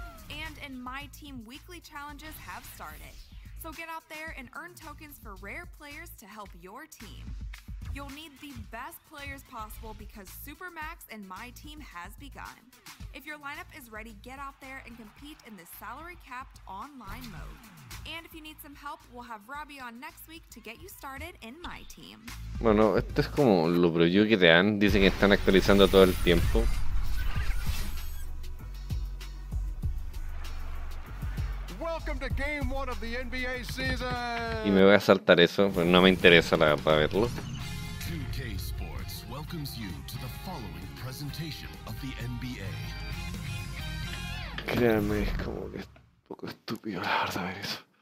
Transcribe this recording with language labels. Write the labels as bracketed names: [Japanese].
[English] And in my team, weekly challenges have started. So get out there and earn tokens for rare players to help your team. You'll need the best players possible because Supermax in my team has begun. If your lineup is ready, get out there and compete in the salary-capped online mode. And if you need some help, we'll have Robbie on next week to get you started in my team. [Spanish] Bueno, esto es como lo preview que te dan. Dicen que están actualizando todo el tiempo. [English] Welcome to game one of the NBA season. [Spanish] Y me voy a saltar eso, pues no me interesa la para verlo. [English] 2K Sports welcomes you to the following presentation of the NBA. [Spanish] Créanme, es como que es un poco estúpido la verdad ver eso.